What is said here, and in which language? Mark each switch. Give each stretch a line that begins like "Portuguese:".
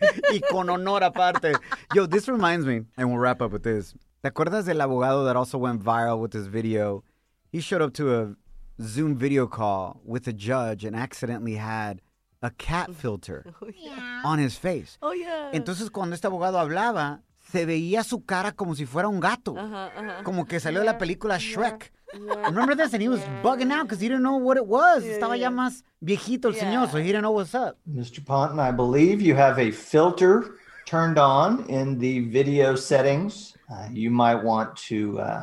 Spanish: Y con honor aparte.
English: Yo, this reminds me, and we'll wrap up with this.
Spanish: ¿Te acuerdas del abogado
English: that also went viral with this video? He showed up to a Zoom video call with a judge and accidentally had a cat filter on his face. Oh, yeah.
Spanish: Entonces, cuando este abogado hablaba, se veía su cara como si fuera un gato. Como que salió de la película Shrek.
English: Yeah. Remember this? And he was bugging out because he didn't know what it was. Yeah,
Spanish: estaba ya más viejito el señor,
English: so he didn't know what's up. Mr. Ponton, I believe you have a filter turned on in the video settings. You might want to...